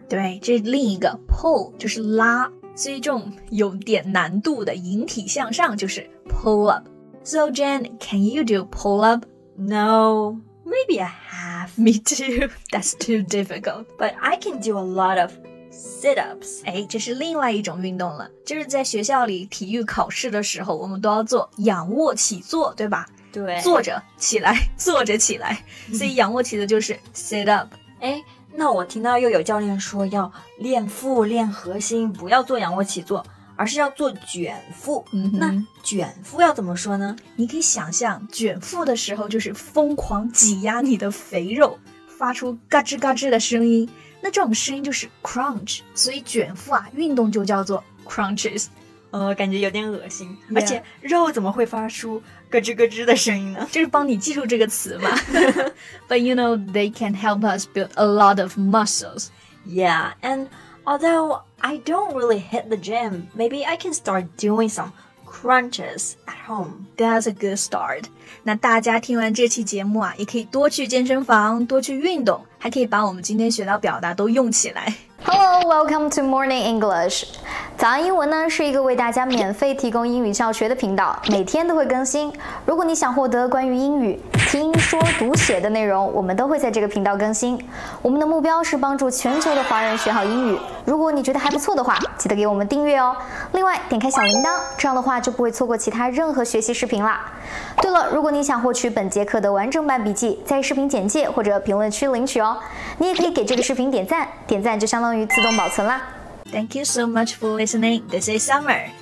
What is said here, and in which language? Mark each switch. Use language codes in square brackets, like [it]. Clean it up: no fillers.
[zh] 对，这是另一个 pull, 就是拉。所以这种有点难度的引体向上就是 pull up. [en] So Jen, can you do pull up? No, maybe a half. Me too. That's too difficult. But I can do a lot of sit ups. [zh] 哎，这是另外一种运动了，就是在学校里体育考试的时候，我们都要做仰卧起坐，对吧？对，坐着起来，坐着起来。所以仰卧起坐就是 sit up. 哎。那我听到又有教练说要练腹练核心，不要做仰卧起坐，而是要做卷腹、嗯、那卷腹要怎么说呢？你可以想象卷腹的时候就是疯狂挤压你的肥肉，发出嘎吱嘎吱的声音，那这种声音就是 crunch， 所以卷腹啊运动就叫做 crunches。感觉有点恶心、 yeah. 而且肉怎么会发出咯吱咯吱的声音呢？就是帮你记住这个词嘛。 [en] But you know, they can help us build a lot of muscles. Yeah, and although I don't really hit the gym, maybe I can start doing some crunches at home. That's a good start. [zh] 那大家听完这期节目啊，也可以多去健身房，多去运动，还可以把我们今天学到表达都用起来。 [en] Hello, welcome to Morning English. [zh] 早安英文呢是一个为大家免费提供英语教学的频道，每天都会更新。如果你想获得关于英语听说读写的内容，我们都会在这个频道更新。我们的目标是帮助全球的华人学好英语。如果你觉得还不错的话，记得给我们订阅哦。另外点开小铃铛，这样的话就不会错过其他任何学习视频啦。对了，如果你想获取本节课的完整版笔记，在视频简介或者评论区领取哦。你也可以给这个视频点赞，点赞就相当于自动保存啦。 [en] Thank you so much for listening. This is Summer.